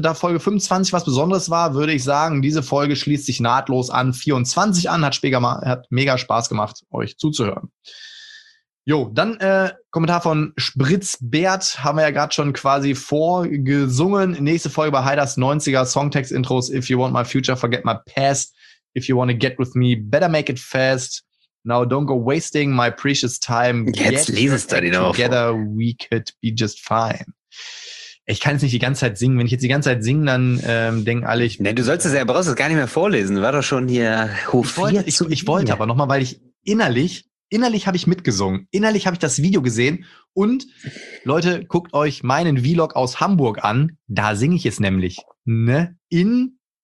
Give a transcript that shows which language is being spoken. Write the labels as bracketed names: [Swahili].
[German] Da Folge 25 was Besonderes war, würde ich sagen, diese Folge schließt sich nahtlos an 24 an. Hat mega Spaß gemacht, euch zuzuhören. Jo, dann Kommentar von Spritzbert. Haben wir ja gerade schon quasi vorgesungen. Nächste Folge bei Heiders 90er Songtext-Intros. [English] If you want my future, forget my past. If you want to get with me, better make it fast. Now don't go wasting my precious time. [German] Jetzt lesest du die noch. [English] Together we could be just fine. [German] Ich kann jetzt nicht die ganze Zeit singen. Wenn ich jetzt die ganze Zeit singe, dann denken alle ich... Nee, du sollst es ja, brauchst es gar nicht mehr vorlesen. War doch schon hier hoch 4. Ich wollte aber nochmal, weil ich innerlich habe ich mitgesungen. Innerlich habe ich das Video gesehen. Und Leute, guckt euch meinen Vlog aus Hamburg an. Da singe ich es nämlich. Ne? In